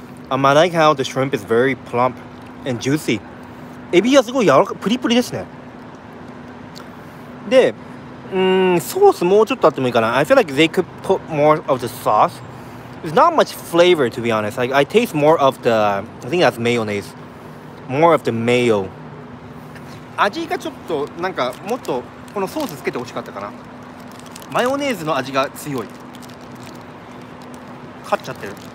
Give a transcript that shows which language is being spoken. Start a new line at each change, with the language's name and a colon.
English: I like how the shrimp is very plump and juicy.
Japanese: エビがすごい柔らかプリプリですね。で、ソースもうちょっとあってもいいかな?
English: I feel like they could put more of the sauce. There's not much flavor to be honest. Like I taste more of the I think that's mayonnaise. More of the mayo.
Japanese: 味がちょっとなんかもっとこのソースつけて欲しかったかな。マヨネーズの味が強い。勝っちゃってる。